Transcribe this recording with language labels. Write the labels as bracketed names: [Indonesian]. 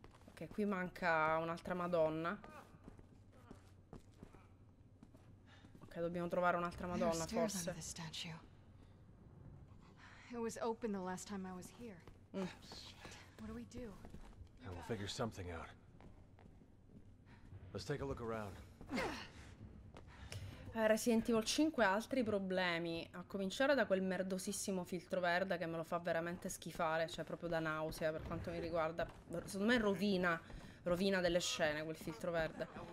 [Italian] Ok, qui manca un'altra madonna. Ok, dobbiamo trovare un'altra madonna, forse. [English] It was open the last time I was here. Shit. What do we do? Yeah, we'll figure something out. Let's take a look around. [Italian] Resident Evil 5 ha altri problemi, a cominciare da quel merdosissimo filtro verde che me lo fa veramente schifare, cioè proprio da nausea per quanto mi riguarda. Secondo me rovina delle scene quel filtro verde.